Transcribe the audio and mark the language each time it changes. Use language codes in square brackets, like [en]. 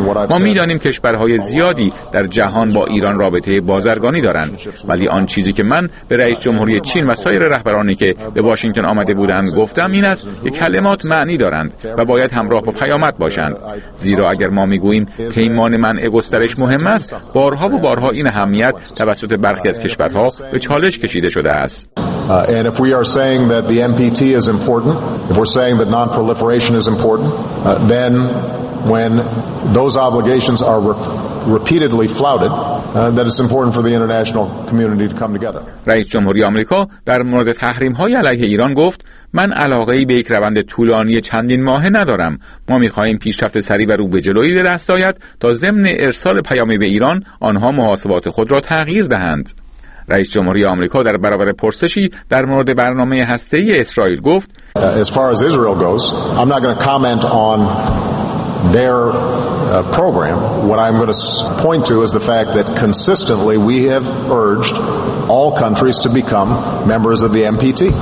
[fa] ما می‌دانیم کشورهای زیادی در جهان با ایران رابطه بازرگانی دارند، ولی آن چیزی که من به رئیس جمهوری چین و سایر رهبرانی که به واشنگتن آمده بودند گفتم این است که کلمات معنی دارند و باید همراه با پیامد باشند، زیرا اگر ما می‌گوییم پیمان منع گسترش مهم است، بارها و بارها این اهمیت توسط برخی از کشورها به چالش کشیده شده است. [en] And if we are saying that the NPT is important, if we're saying that non-proliferation is important, then when those obligations are repeatedly flouted, that it's important for the international community to come together. [fa] رئیس جمهوری آمریکا در مورد تحریم‌های علیه ایران گفت: من علاقه‌ای به یک روند طولانی چندین ماهه ندارم. ما می‌خواهیم پیشرفت سریع و رو به جلوی دست آید تا ضمن ارسال پیامی به ایران، آنها محاسبات خود را تغییر دهند. رئیس جمهوری آمریکا در برابر پرسشی در مورد برنامه هسته‌ای اسرائیل گفت: [en] As far as Israel goes, I'm not going to comment on their program. What I'm going to point to is the fact that consistently we have urged all countries to become members of the NPT.